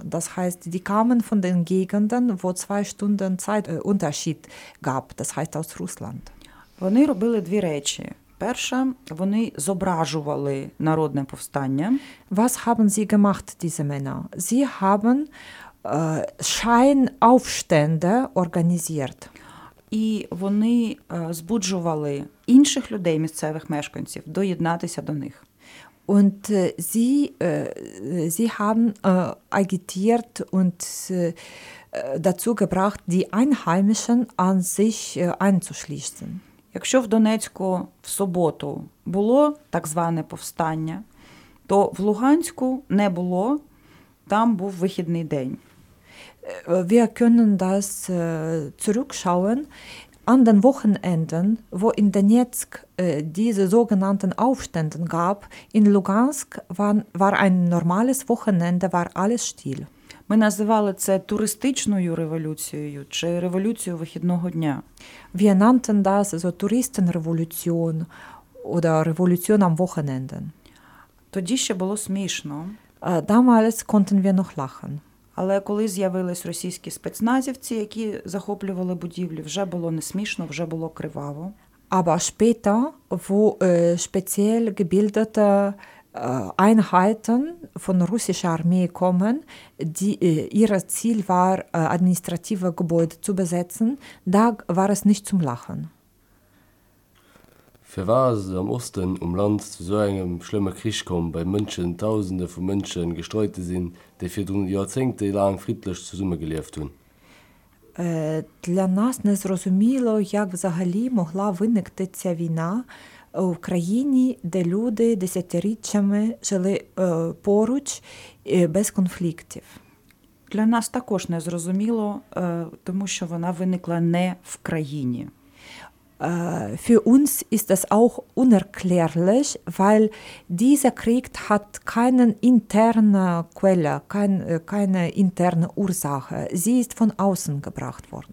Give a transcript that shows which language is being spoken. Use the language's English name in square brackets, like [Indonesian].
[German] Das heißt, die kamen von den Gegenden, wo zwei Stunden Zeitunterschied gab, das heißt aus Russland. [Ukrainian] Вони робили дві речі. Перша, вони зображували народне повстання. [German] Was haben sie gemacht, diese Männer? Sie haben Scheinaufstände organisiert. [Ukrainian] І вони збуджували інших людей, місцевих мешканців, доєднатися до них. [German] Und sie haben agitiert und dazu gebracht, die Einheimischen an sich einzuschließen. [Ukrainian] Якщо в Донецьку в суботу було так зване повстання, то в Луганську не було, там був вихідний день. [German] Wir können das zurückschauen. An den Wochenenden, wo in Donetsk diese sogenannten Aufstände gab, in Lugansk war ein normales Wochenende, war alles still. [Ukrainian] Ми називали це туристичною революцією чи революцією вихідного дня. [German] Wir nannten das so Touristenrevolution oder Revolution am Wochenende. [Ukrainian] Тоді ще було смішно. [German] Damals konnten wir noch lachen. [Ukrainian] Але коли з'явились російські спецназівці, які захоплювали будівлі, вже було не смішно, вже було криваво. [German] Aber später, wo speziell gebildete Einheiten von russischer Armee kommen, ihr Ziel war, administrative Gebäude zu besetzen, da war es nicht zum Lachen. Für was am Osten um Land zu so einem schlimmen Krieg kommen, bei München Tausende von Menschen gestreut sind, die für Jahrzehnte lang friedlich zusammengelebt haben? [Ukrainian] Для нас не зрозуміло, як взагалі могла виникти ця війна в країні, де люди десятиріччями жили поруч без конфліктів. Для нас також не зрозуміло, тому що вона виникла не в країні. [German] Für uns ist das auch unerklärlich, weil dieser Krieg hat keine interne Quelle, keine interne Ursache. Sie ist von außen gebracht worden.